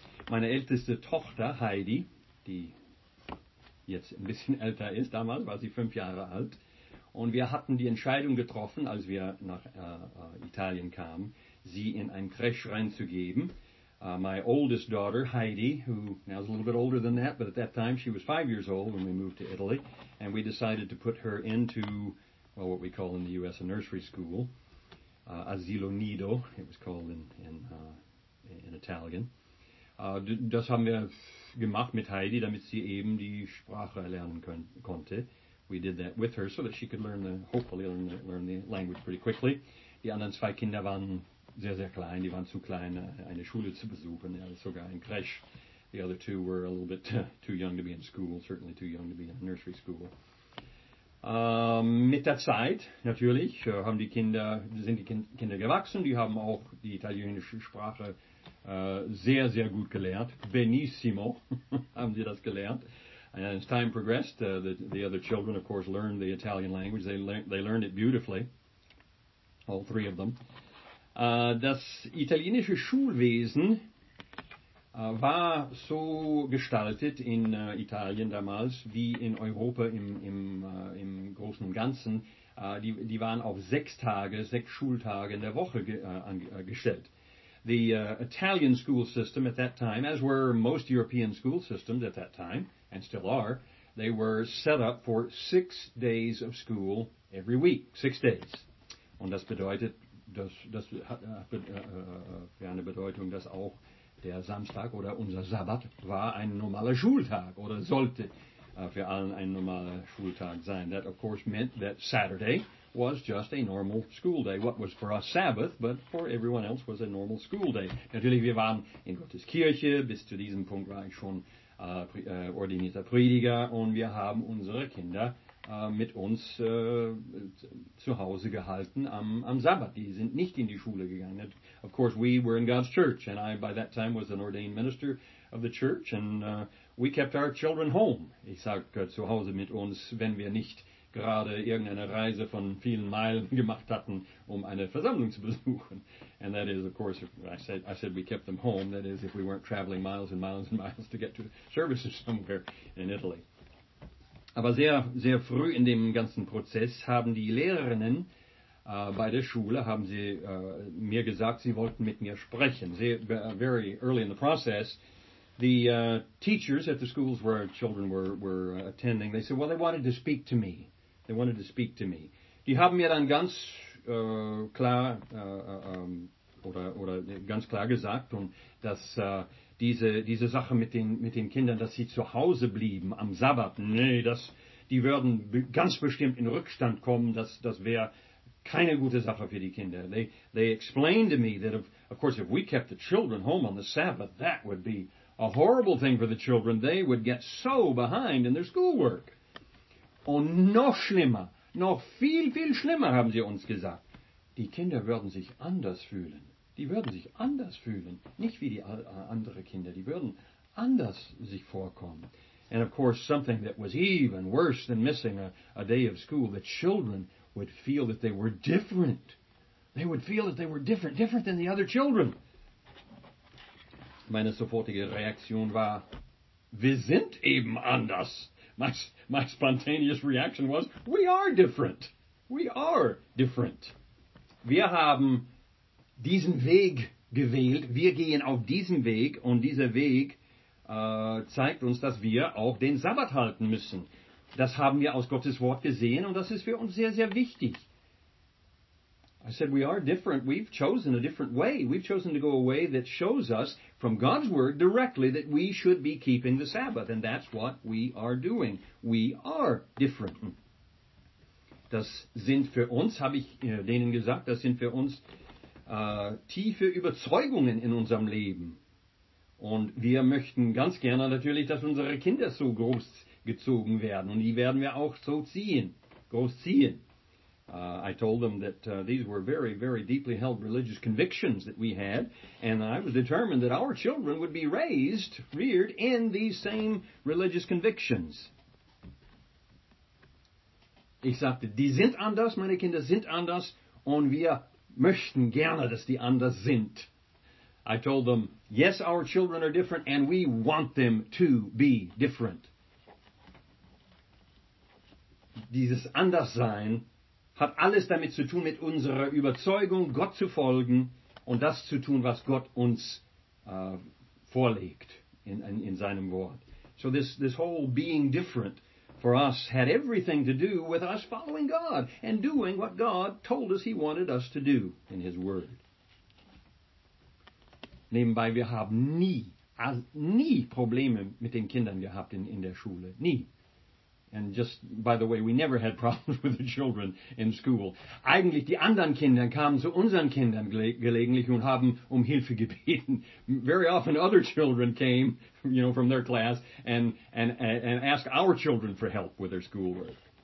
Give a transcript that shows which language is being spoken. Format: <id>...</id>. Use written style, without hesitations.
<de>Meine älteste Tochter, Heidi, die jetzt ein bisschen älter ist, damals war sie 5 Jahre alt, und wir hatten die Entscheidung getroffen, als wir nach Italien kamen, sie in ein Crèche reinzugeben.</de> <en>My oldest daughter, Heidi, who now is a little bit older than that, but at that time she was 5 years old when we moved to Italy, and we decided to put her into, well, what we call in the U.S. a nursery school, Asilo Nido, it was called in Italian.</en> <de>Das haben wir gemacht mit Heidi, damit sie eben die Sprache erlernen konnte.</de> <en>We did that with her so that she could hopefully learn the language pretty quickly.</en> <de>Die anderen zwei Kinder waren sehr, sehr klein. Die waren zu klein, eine Schule zu besuchen, ja, sogar in Crèche.</de> <en>The other two were a little bit too young to be in school, certainly too young to be in nursery school.</en> <de>Mit der Zeit, natürlich, sind die Kinder gewachsen. Die haben auch die italienische Sprache sehr, sehr gut gelernt. Benissimo haben sie das gelernt.</de> <en>And as time progressed, the other children, of course, learned the Italian language. They learned it beautifully, all three of them.</en> <de>Das italienische Schulwesen war so gestaltet in Italien damals wie in Europa im Großen und Ganzen. Die waren auf 6 Schultage in der Woche gestellt.</de> <en>The Italian school system at that time, as were most European school systems at that time, and still are, they were set up for 6 days of school every week. 6 days.</en> <de>Und das bedeutet, das hat eine Bedeutung, dass auch der Samstag oder unser Sabbat war ein normaler Schultag oder sollte für allen ein normaler Schultag sein.</de> <en>That, of course, meant that Saturday was just a normal school day. What was for us Sabbath, but for everyone else was a normal school day.</en> <de>Natürlich, wir waren in Gottes Kirche. Bis zu diesem Punkt war ich schon ordinierter Prediger. Und wir haben unsere Kinder mit uns zu Hause gehalten am Sabbat. Die sind nicht in die Schule gegangen.</de> <en>Of course, we were in God's church. And I, by that time, was an ordained minister of the church. And we kept our children home.</en> <de>Ich sage zu Hause mit uns, wenn wir nicht gerade irgendeine Reise von vielen Meilen gemacht hatten, um eine Versammlung zu besuchen.</de> <en>And that is, of course, I said we kept them home. That is, if we weren't traveling miles and miles and miles to get to services somewhere in Italy.</en> <de>Aber sehr, sehr früh in dem ganzen Prozess haben die Lehrerinnen bei der Schule, haben sie mir gesagt, sie wollten mit mir sprechen.</de> <en>Very early in the process, the teachers at the schools where our children were attending, they said, well, they wanted to speak to me. They wanted to speak to me.</en> <de>Die haben mir dann ganz klar oder ganz klar gesagt, und dass diese Sache mit den Kindern, dass sie zu Hause blieben am Sabbat, nee, dass die würden ganz bestimmt in Rückstand kommen, das wäre keine gute Sache für die Kinder.</de> <en>They explained to me that of course if we kept the children home on the Sabbath, that would be a horrible thing for the children. They would get so behind in their schoolwork.</en> <de>Und noch schlimmer, noch viel, viel schlimmer, haben sie uns gesagt. Die Kinder würden sich anders fühlen. Die würden sich anders fühlen. Nicht wie die anderen Kinder. Die würden anders sich vorkommen.</de> <en>And of course, something that was even worse than missing a day of school, the children would feel that they were different. They would feel that they were different, different than the other children.</en> <de>Meine sofortige Reaktion war, wir sind eben anders.</de> <en>My spontaneous reaction was, we are different. We are different.</en> <de>Wir haben diesen Weg gewählt. Wir gehen auf diesen Weg. Und dieser Weg zeigt uns, dass wir auch den Sabbat halten müssen. Das haben wir aus Gottes Wort gesehen. Und das ist für uns sehr, sehr wichtig.</de> <en>I said, we are different. We've chosen a different way. We've chosen to go a way that shows us from God's word directly that we should be keeping the Sabbath. And that's what we are doing. We are different.</en> <de>Das sind für uns, habe ich denen gesagt, das sind für uns tiefe Überzeugungen in unserem Leben. Und wir möchten ganz gerne natürlich, dass unsere Kinder so großgezogen werden. Und die werden wir auch so ziehen, großziehen.</de> <en>I told them that these were very, very deeply held religious convictions that we had. And I was determined that our children would be raised, reared in these same religious convictions.</en> <de>Ich sagte, die sind anders, meine Kinder sind anders. Und wir möchten gerne, dass die anders sind.</de> <en>I told them, yes, our children are different and we want them to be different.</en> <de>Dieses Anderssein hat alles damit zu tun, mit unserer Überzeugung, Gott zu folgen und das zu tun, was Gott uns vorlegt in seinem Wort.</de> <en>So this whole being different for us had everything to do with us following God and doing what God told us he wanted us to do in his word.</en> <de>Nebenbei, wir haben nie Probleme mit den Kindern gehabt in der Schule. Nie.</de> <en>And just, by the way, we never had problems with the children in school.</en> <de>Eigentlich, die anderen Kinder kamen zu unseren Kindern gelegentlich und haben um Hilfe gebeten.</de> <en>Very often other children came, you know, from their class and asked our children for help with their schoolwork.</en>